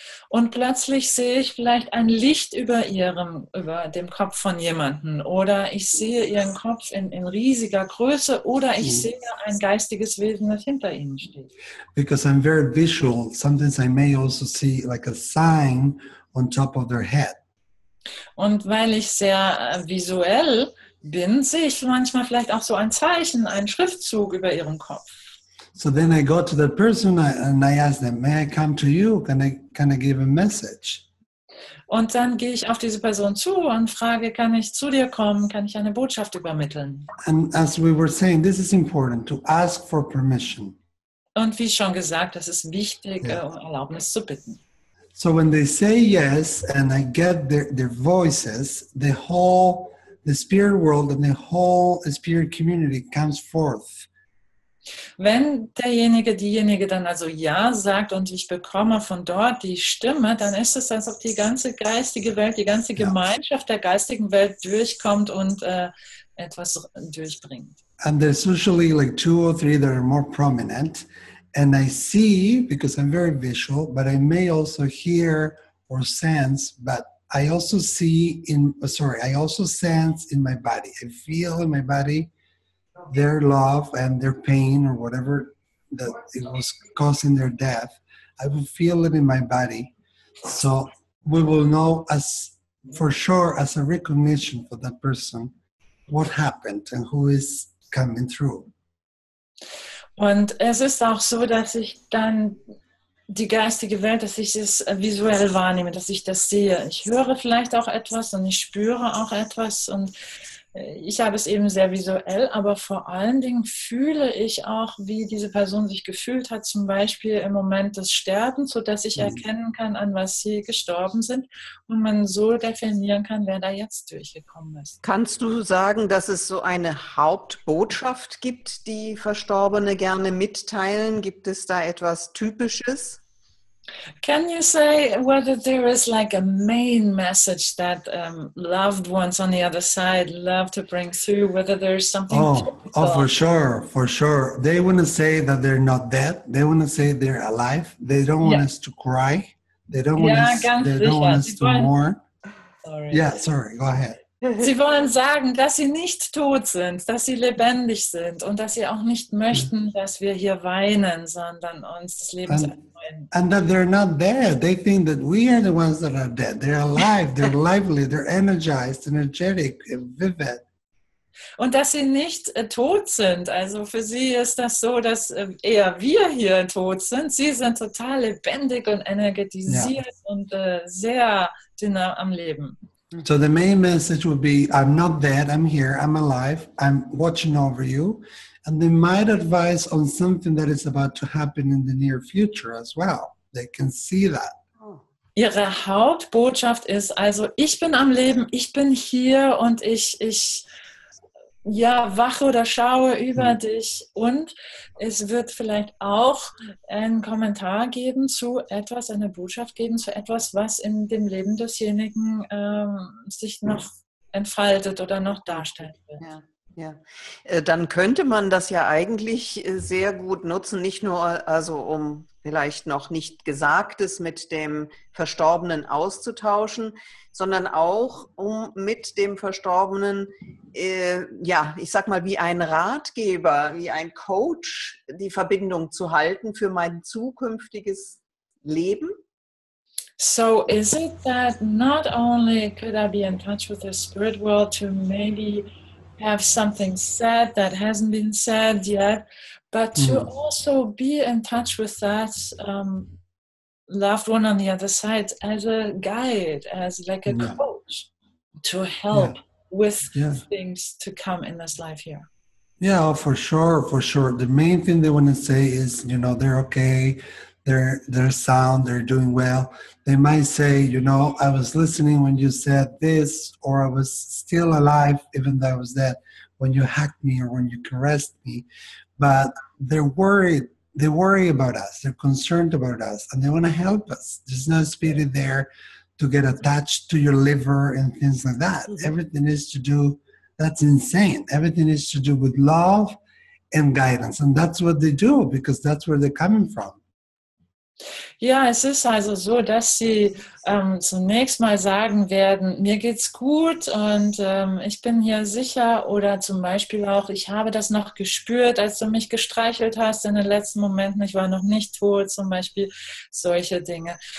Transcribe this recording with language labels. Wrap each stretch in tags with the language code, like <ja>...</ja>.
<de>Und plötzlich sehe ich vielleicht ein Licht über dem Kopf von jemanden, oder ich sehe ihren Kopf in riesiger Größe, oder ich sehe ein geistiges Wesen, das hinter ihnen steht.</de> <en>Because I'm very visual, sometimes I may also see like a sign on top of their head.</en> <de>Und weil ich sehr visuell bin, sehe ich manchmal vielleicht auch so ein Zeichen, einen Schriftzug über ihrem Kopf.</de> <en>So then I go to the person and I ask them, may I come to you? Can I give a message?</en> <de>Und dann gehe ich auf diese Person zu und frage, kann ich zu dir kommen? Kann ich eine Botschaft übermitteln?</de> <en>And as we were saying, this is important, to ask for permission.</en> <de>Und wie schon gesagt, das ist wichtig, um Erlaubnis zu bitten.</de> <en>So when they say yes and I get their voices, the spirit world and the whole spirit community comes forth.</en> <de>Wenn derjenige, diejenige dann also ja sagt und ich bekomme von dort die Stimme, dann ist es, als ob die ganze geistige Welt, die ganze Gemeinschaft der geistigen Welt durchkommt und etwas durchbringt.</de> <en>And there's usually like two or three that are more prominent. And I see, because I'm very visual, but I may also hear or sense, but I also see I also sense in my body. I feel in my body their love and their pain or whatever that it was causing their death. I will feel it in my body. So we will know as for sure as a recognition for that person what happened and who is coming through.</en> <de>Und es ist auch so, dass ich dann die geistige Welt, dass ich es visuell wahrnehme, dass ich das sehe. Ich höre vielleicht auch etwas und ich spüre auch etwas und ich habe es eben sehr visuell, aber vor allen Dingen fühle ich auch, wie diese Person sich gefühlt hat, zum Beispiel im Moment des Sterbens, sodass ich erkennen kann, an was sie gestorben sind und man so definieren kann, wer da jetzt durchgekommen ist. Kannst du sagen, dass es so eine Hauptbotschaft gibt, die Verstorbene gerne mitteilen? Gibt es da etwas Typisches?</de> <en>Can you say whether there is like a main message that loved ones on the other side love to bring through, whether there's something typical? Oh, for sure. They want to say that they're not dead. They want to say they're alive. They don't want us to cry. They don't want us to mourn. Sorry, go ahead.</en> <de>Sie wollen sagen, dass sie nicht tot sind, dass sie lebendig sind und dass sie auch nicht möchten, dass wir hier weinen, sondern uns das Leben erfreuen.</de> <en>And that they're not there. They think that we are the ones that are dead. They're alive, they're lively, they're energized, energetic, vivid.</en> <de>Und dass sie nicht tot sind. Also für sie ist das so, dass eher wir hier tot sind. Sie sind total lebendig und energetisiert und sehr dynam am Leben.</de> <en>So the main message would be, I'm not dead, I'm here, I'm alive, I'm watching over you. And they might advise on something that is about to happen in the near future as well. They can see that.</en> <de>Ihre Hauptbotschaft ist also, ich bin am Leben, ich bin hier und ich wache oder schaue über dich. Und es wird vielleicht auch einen Kommentar geben zu etwas, eine Botschaft geben zu etwas, was in dem Leben desjenigen sich noch entfaltet oder noch darstellt wird. Ja. Ja, dann könnte man das ja eigentlich sehr gut nutzen, nicht nur also um vielleicht noch nicht Gesagtes mit dem Verstorbenen auszutauschen, sondern auch um mit dem Verstorbenen, ich sag mal wie ein Ratgeber, wie ein Coach die Verbindung zu halten für mein zukünftiges Leben.</de> <en>So is it that not only could I be in touch with the spirit world to maybe have something said that hasn't been said yet, but to also be in touch with that loved one on the other side as a guide, as like a coach to help with things to come in this life here. Yeah, for sure, for sure. The main thing they want to say is, you know, they're okay, they're sound, they're doing well. They might say, you know, I was listening when you said this, or I was still alive, even though I was dead, when you hacked me or when you caressed me. But they're worried. They worry about us. They're concerned about us, and they want to help us. There's no spirit there to get attached to your liver and things like that. Everything is to do, that's insane. Everything is to do with love and guidance. And that's what they do, because that's where they're coming from.</en> <de>Ja, es ist also so, dass sie zunächst mal sagen werden, mir geht's gut und ich bin hier sicher, oder zum Beispiel auch, ich habe das noch gespürt, als du mich gestreichelt hast in den letzten Momenten, ich war noch nicht tot, zum Beispiel solche Dinge.</de>